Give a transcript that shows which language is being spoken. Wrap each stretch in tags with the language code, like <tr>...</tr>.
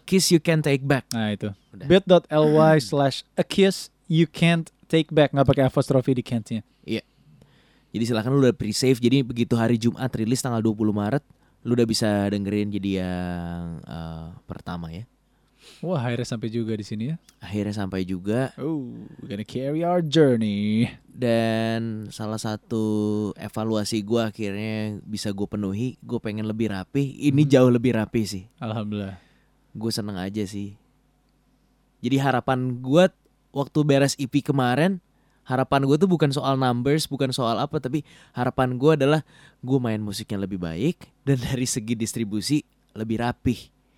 <en>A kiss you can't take back.</en> <id>Nah itu. Udah.</id> <en>Bit.ly slash a kiss you can't take back.</en> <id>Gak pakai apostrophe di can't-nya. Iya. Jadi silakan lu udah pre-save. Jadi begitu hari Jumat rilis tanggal 20 Maret, lu udah bisa dengerin jadi yang pertama ya. Wah, akhirnya sampai juga di sini ya. Akhirnya sampai juga.</id> <en>Oh, we're gonna carry our journey.</en> <id>Dan salah satu evaluasi gue akhirnya bisa gue penuhi. Gue pengen lebih rapi. Ini jauh lebih rapi sih. Alhamdulillah. Gue seneng aja sih. Jadi harapan gue waktu beres EP kemarin, harapan gue tuh bukan soal numbers, bukan soal apa, tapi harapan gue adalah gue main musiknya lebih baik dan dari segi distribusi lebih rapi.</id>